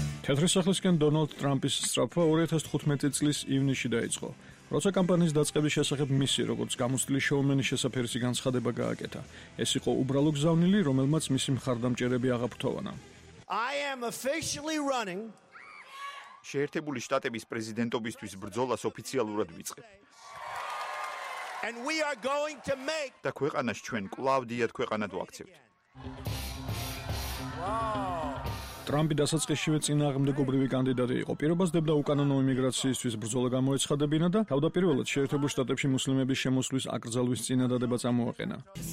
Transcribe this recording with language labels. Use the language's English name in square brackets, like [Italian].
[Georgian] 4 სახლისკენ დონალდ ტრამპის სწრაფვა 2015 წლის ივნისში დაიწყო. როცა კამპანიის დაწყების შესახებ მისი, როგორც გამოცდილი შოუმენის შესაფერისი განცხადება გააკეთა. ეს იყო უბრალო გზავნილი, რომელმაც მისი მხარდამჭერები აღაფრთოვანა. [English] I am officially running. [Georgian] შეერთებული შტატების პრეზიდენტობისთვის ბრძოლას ოფიციალურად ვიწყებ. [English] And we are going to make. [Georgian] და ქვეყანას ჩვენ კლავდიათ ქვეყანად ვაქცევთ. ტრამპი დასაწყისშივე წინააღმდეგობრივი კანდიდატი იყო. პირობას დებდა უკანონო იმიგრაციისთვის ბრძოლა გამოეცხადებინა და თავდაპირველად შეერთებულ შტატებში მუსლიმების შემოსვლის აკრძალვის წინადადება წამოაყენა.